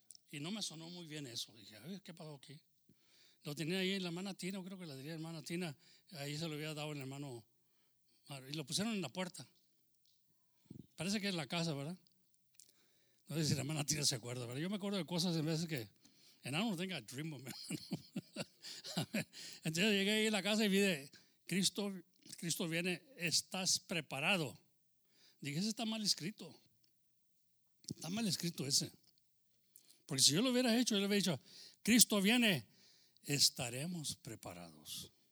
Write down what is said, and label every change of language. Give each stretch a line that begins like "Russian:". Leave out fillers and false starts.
Spanish: Y no me sonó muy bien eso. Dije, ay, ¿qué pasó aquí? Lo tenía ahí en la hermana Tina, creo que la tenía la hermana Tina. Ahí se lo había dado el hermano Mario. Y lo pusieron en la puerta. Parece que es la casa, ¿verdad? No sé si la hermana Tina se acuerda, ¿verdad? Yo me acuerdo de cosas en veces que...
English: And I don't think I dream of, hermano.
Spanish: Entonces llegué ahí a la casa y vi de... Cristo viene, estás preparado. Dije, ese está mal escrito. Está mal escrito ese. Porque si yo lo hubiera hecho, yo le hubiera dicho, Cristo viene, estaremos preparados.